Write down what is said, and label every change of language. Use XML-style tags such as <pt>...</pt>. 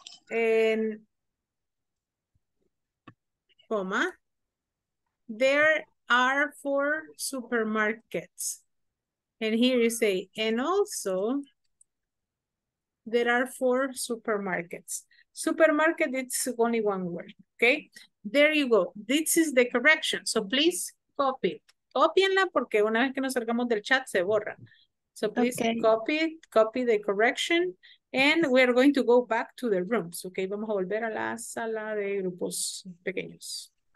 <en>And, comma, there are four supermarkets. And here you say, and also, there are four supermarkets. Supermarket, it's only one word, okay? There you go. This is the correction, so please copy it.</en> <es>Copienla porque una vez que nos salgamos del chat se borra.</es> <en>So please copy the correction and we are going to go back to the rooms.</en> <es>Okay, vamos a volver a la sala de grupos pequeños.</es>